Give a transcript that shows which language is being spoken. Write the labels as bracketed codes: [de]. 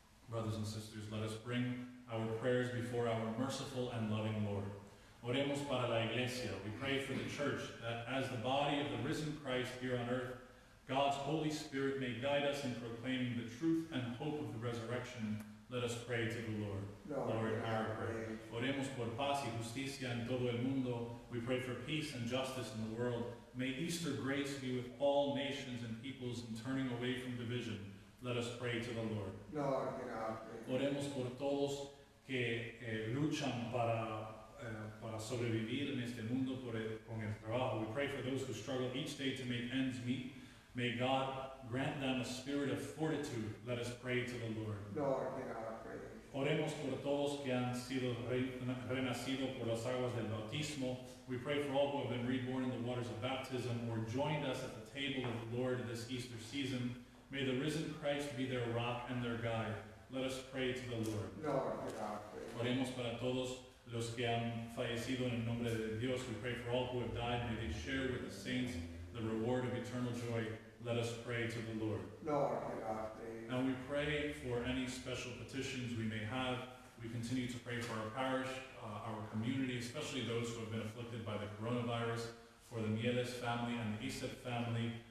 [en] Brothers and sisters, let us bring our prayers before our merciful and loving Lord. [es] Oremos para la Iglesia. [en] We pray for the Church, that as the body of the risen Christ here on earth, God's Holy Spirit may guide us in proclaiming the truth and hope of the resurrection. Let us pray to the Lord. Lord, our prayer. [es] Oremos por paz y justicia en todo el mundo. [en] We pray for peace and justice in the world. May Easter grace be with all nations and peoples in turning away from division. Let us pray to the Lord. Lord, our prayer. [es] Oremos por todos que luchan para sobrevivir en este mundo con el trabajo. [en] We pray for those who struggle each day to make ends meet. May God grant them a spirit of fortitude. Let us pray to the Lord. Lord, hear our prayer. [es] Oremos por todos que han sido renacidos por las aguas del bautismo. [en] We pray for all who have been reborn in the waters of baptism or joined us at the table of the Lord this Easter season. May the risen Christ be their rock and their guide. Let us pray to the Lord. Lord, hear our prayer. [es] Oremos para todos los que han fallecido en el nombre de Dios. [en] We pray for all who have died. May they share with the saints the reward of eternal joy. Let us pray to the Lord. Lord, hear our prayer. Now we pray for any special petitions we may have. We continue to pray for our parish, our community, especially those who have been afflicted by the coronavirus, for the Mieles family and the Isep family.